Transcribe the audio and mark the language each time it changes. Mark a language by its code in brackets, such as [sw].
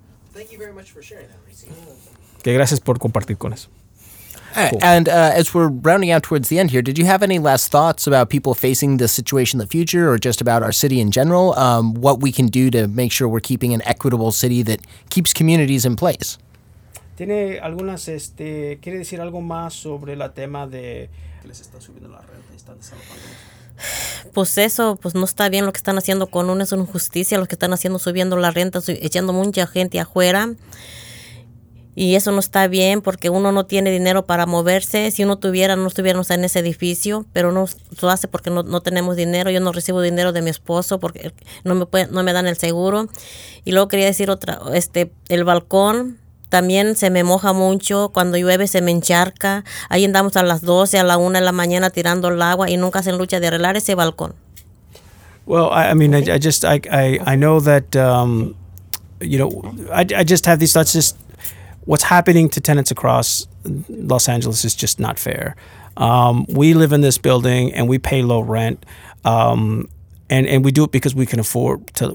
[en] Thank you very much for sharing that. Cool. And as we're rounding out towards the end here, did you have any last thoughts about people facing the situation in the future or just about our city in general? What we can do to make sure we're keeping an equitable city that keeps communities in place? [es] ¿Tiene algunas, quiere decir algo más sobre la tema de que les está subiendo la renta y están desalojando? Pues eso, pues no está bien lo que están haciendo con uno, es una injusticia lo que están haciendo, subiendo la renta, echando mucha gente afuera, y eso no está bien porque uno no tiene dinero para moverse. Si uno tuviera, no estuviéramos en ese edificio, pero no lo hace porque no tenemos dinero. Yo no recibo dinero de mi esposo porque no me dan el seguro. Y luego quería decir otra, el balcón, también se me moja mucho. Cuando llueve se me encharca. Ahí andamos a las 12, a la 1 de la mañana tirando el agua y nunca hacen lucha de arreglar ese balcón. [en] Well, I know that, you know, I just have these thoughts. Just what's happening to tenants across Los Angeles is just not fair. We live in this building and we pay low rent. And we do it because we can afford to.